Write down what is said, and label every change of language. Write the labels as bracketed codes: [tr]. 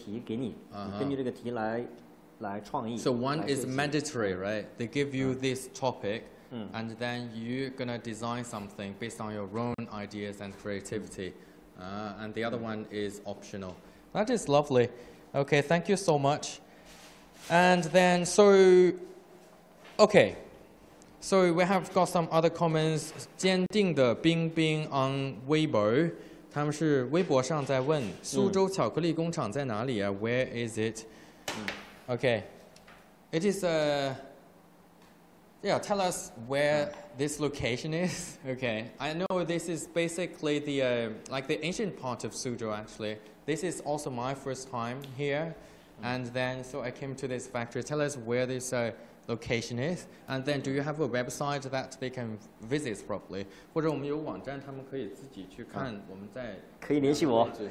[zh] 就考试的时候，其实要能够跟它整个的主题要相关。对对对，一定是一个叫自命题和就是命题。啊，命题就是呢，它那个会就是比赛呢会把那个题给你，根据这个题来。来创意, [en] so one is mandatory, right? They give you this topic, and then you're going to design something based on your own ideas and creativity. And the other one is optional. That is lovely. Okay, thank you so much. And then, so, okay. So we have got some other comments. 坚定的冰冰 on Weibo. [zh] 他们是微博上在问, 苏州巧克力工厂在哪里啊? [en] Where is it? Okay, it is, yeah, tell us where this location is. Okay, I know this is basically the, like the ancient part of Suzhou actually. This is also my first time here. And then, so I came to this factory. Tell us where this location is. And then do you have a website that they can visit properly? [zh] 或者我们有网站,他们可以自己去看我们在。可以联系我。